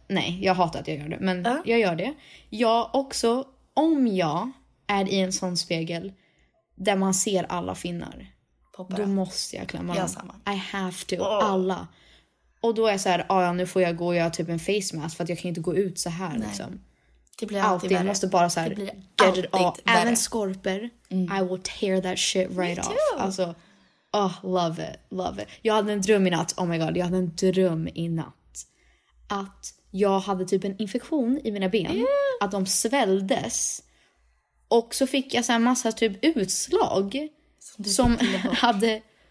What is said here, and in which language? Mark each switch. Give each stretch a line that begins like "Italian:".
Swedish: Nej, jag hatar att jag gör det. Men jag gör det. Jag också, om jag är i en sån spegel där man ser alla finnar. Poppa. Då måste jag klämma dem. Samma.
English: I have to. Oh.
Swedish: Alla. Och då är jag så här, ja, nu får jag gå och göra typ en face mask för att jag kan inte gå ut så här. Nej. Liksom. Det blir alltid värre. Jag måste bara så här, det blir
English: get it off.
Swedish: Även skorpor,
English: I will tear that shit right off. Alltså, oh, love it, love it.
Swedish: Jag hade en dröm i natt,
English: oh my god,
Swedish: jag hade en dröm i natt. Att jag hade typ en infektion i mina ben, att de svälldes. Och så fick jag så här massa typ utslag som hade...